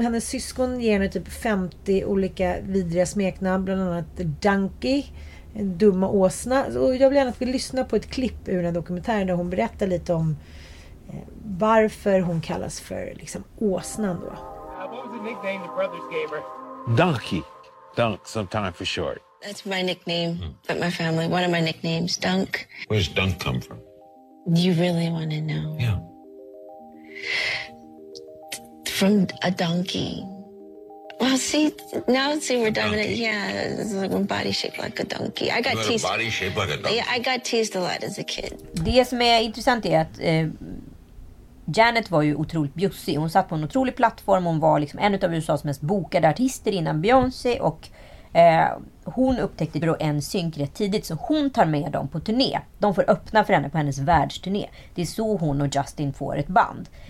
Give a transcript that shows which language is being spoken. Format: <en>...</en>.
<sv>Hennes syskon ger henne typ 50 olika vidriga smeknamn, bland annat Donkey, en dumma åsna. Och jag vill gärna att vi lyssnar på ett klipp ur den dokumentären där hon berättar lite om varför hon kallas för liksom åsnan då.</sv> <en>Donkey. Dunk, sometime for short. That's my nickname, but my family, one of my nicknames, Dunk. Where does Dunk come from? You really want to know? Yeah. From a donkey. Well, see, we're done. Yeah, this is like body shaped like a donkey. I got teased. Body shaped like a donkey. Yeah, I got teased a lot as a kid.</en> <sv>Det som är intressant är att Janet var ju otroligt bjussig. Hon satt på en otrolig plattform. Hon var liksom en av USAs mest bokade artister innan Beyoncé. Och hon upptäckte då en synk rätt tidigt. Så hon tar med dem på turné. De får öppna för henne på hennes världsturné. Det är så hon och Justin får ett band.</sv>